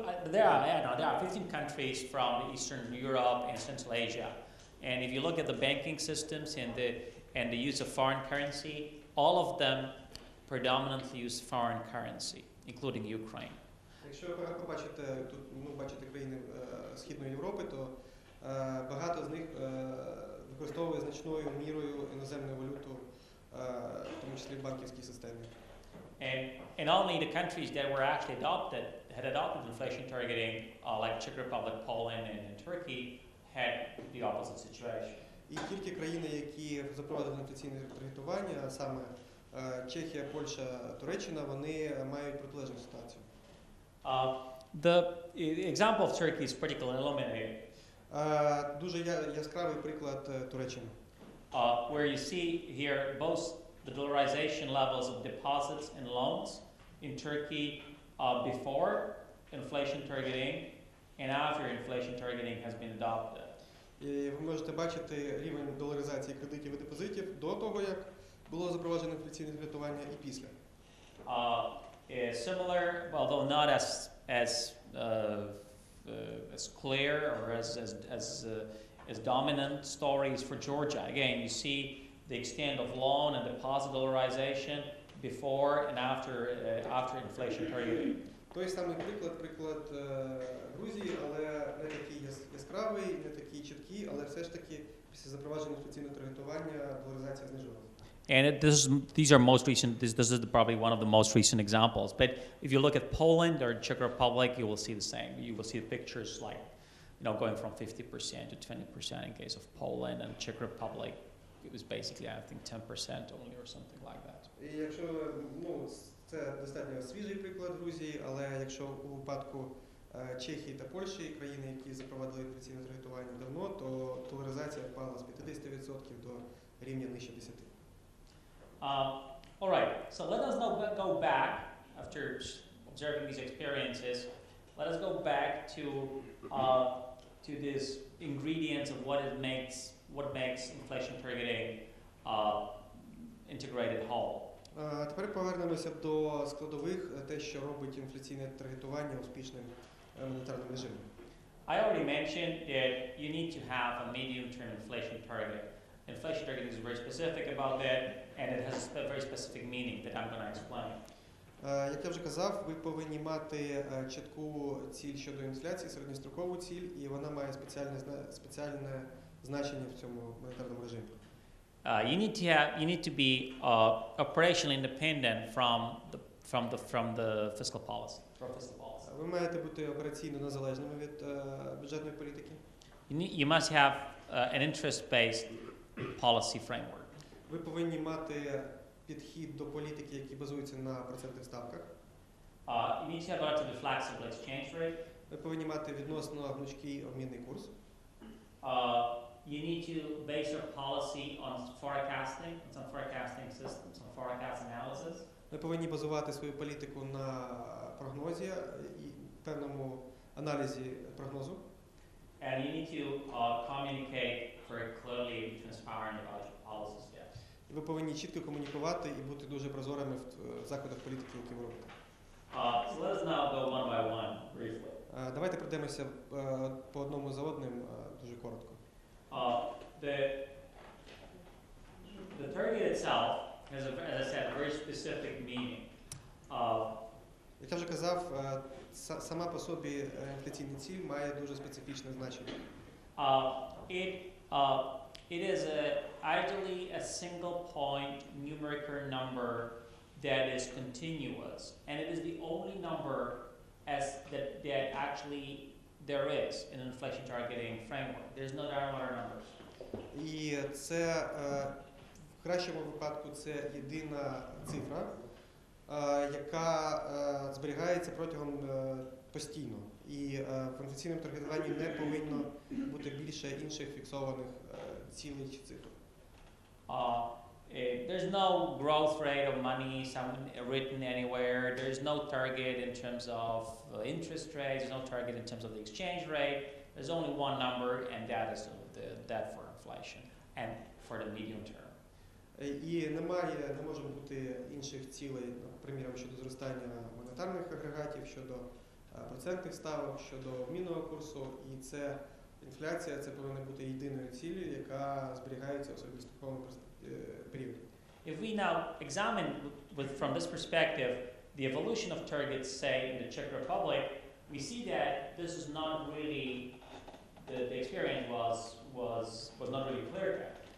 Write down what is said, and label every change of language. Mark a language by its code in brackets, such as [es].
[en] There are 15 countries from Eastern Europe and Central Asia. And if you look at the banking systems and the use of foreign currency, all of them predominantly use foreign currency, including Ukraine. [uk] Якщо ви побачите тут, бачите країни Східної Європи, то багато з них використовує значною мірою іноземну валюту, в тому числі банківські системи. [en] And only the countries that were actually had adopted inflation targeting, like Czech Republic, Poland, and Turkey, had the opposite situation. [uk] І тільки країни, які запровадили інфляційне таргетування, саме Чехія, Польща, Туреччина, вони мають протилежну ситуацію. [en] The example of Turkey is particularly illuminating. [uk] Дуже яскравий приклад Туреччини. [en] Where you see here both the dollarization levels of deposits and loans in Turkey before inflation targeting and after inflation targeting has been adopted. [uk] І ви можете бачити рівень доларизації кредитів і депозитів до того, як було запроваджено інфляційне таргетування, і після. [en] Similar, although not as clear or as dominant stories for Georgia. Again, you see the extent of loan and deposit dollarization before and after inflation period. [uk] Той самий приклад Грузії, але не такий яскравий, не такий чіткий, але все ж таки після запровадження інфляційного таргетування доларизація знижувалася. [en] And this is probably one of the most recent examples. But if you look at Poland or Czech Republic, you will see the same. You will see the pictures like, you know, going from 50% to 20% in case of Poland, and Czech Republic, it was basically, I think, 10% only or something like that. [uk] І якщо, це достатньо свіжий приклад Грузії, але якщо у випадку Чехії та Польщі, країни, які запровадили інфляційне таргетування давно, то доларизація впала з 50% до рівня нижче 10%. [en] All right, so let us now go back after observing these experiences, let us go back to these ingredients of what makes inflation targeting integrated whole. [uk] Тепер повернемося до складових, те, що робить інфляційне таргетування успішним монетарним режимом. [en] I already mentioned that you need to have a medium-term inflation target. Inflation targeting is very specific about that, and it has a very specific meaning that I'm going to explain. [uk] Як я вже казав, ви повинні мати чітку ціль щодо інфляції, середньострокову ціль, і вона має спеціальне значення в цьому монетарному режимі. [en] You need to be operationally independent from the fiscal policy. [uk] Ви маєте бути операційно незалежними від бюджетної політики. [en] You must have an interest-based policy framework. [uk] Ви повинні мати підхід до політики, який базується на процентних ставках. [en] You need to have a relatively flexible exchange rate. [uk] Ви повинні мати відносно гнучкий обмінний курс. [en] You need to base your policy on forecasting, some forecasting systems, some forecast analysis. [uk] Ви повинні базувати свою політику на прогнозі і певному аналізі прогнозу. [en] And you need to communicate very clearly and transparent about your policy steps. [uk] Ви повинні чітко комунікувати і бути дуже прозорими в заходах політики, які ви робите. [en] So let us now go one by one briefly. [uk] Давайте пройдемося по одному за одним дуже коротко. [en] The target itself has, as I said, a very specific meaning. [uk] Як я вже казав, сама по собі інфляційна ціль має дуже специфічне значення. [en] It is ideally a single point numeric number that is continuous, and it is the only number that actually there is in an inflation targeting framework. There's no other numbers. [uk] І це в кращому випадку це єдина цифра, яка зберігається протягом постійно. І в інфляційному таргетуванні не повинно бути більше інших фіксованих цілей чи цифр. [en] There's no growth rate of money written anywhere. There's no target in terms of interest rates. There's no target in terms of the exchange rate. There's only one number, and that is that for inflation and for the medium term. [uk] І немає, не може бути інших цілей, наприклад, щодо зростання монетарних агрегатів, щодо процентних ставок, щодо обмінного курсу. І це інфляція, це повинна бути єдиною цілею, яка зберігається у середньостроковому перспективі. [en] If we now examine from this perspective the evolution of targets, say, in the Czech Republic, we see that this is not really the experience was not really clear cut.